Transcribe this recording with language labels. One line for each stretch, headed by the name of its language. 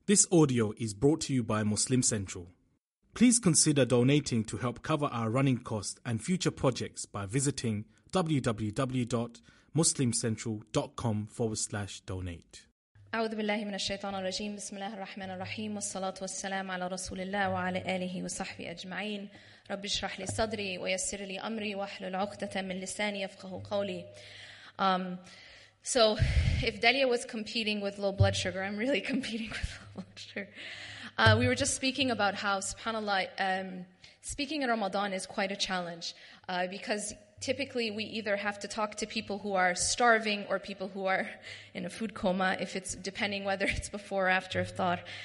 English: This audio is brought to you by Muslim Central. Please consider donating to help cover our running costs and future projects by visiting www.muslimcentral.com/donate.
Arabic: أعوذ بالله من الشيطان الرجيم بسم الله الرحمن الرحيم والصلاة والسلام على رسول الله وعلى آله وصحبه أجمعين رب اشرح لي صدري ويسر لي أمري واحلل عقدة من لساني يفقه قولي.
English: So if Delia was competing with low blood sugar, I'm really competing with low blood sugar. We were just speaking about how, subhanAllah, speaking in Ramadan is quite a challenge because typically we either have to talk to people who are starving or people who are in a food coma, if it's depending whether it's before or after iftar.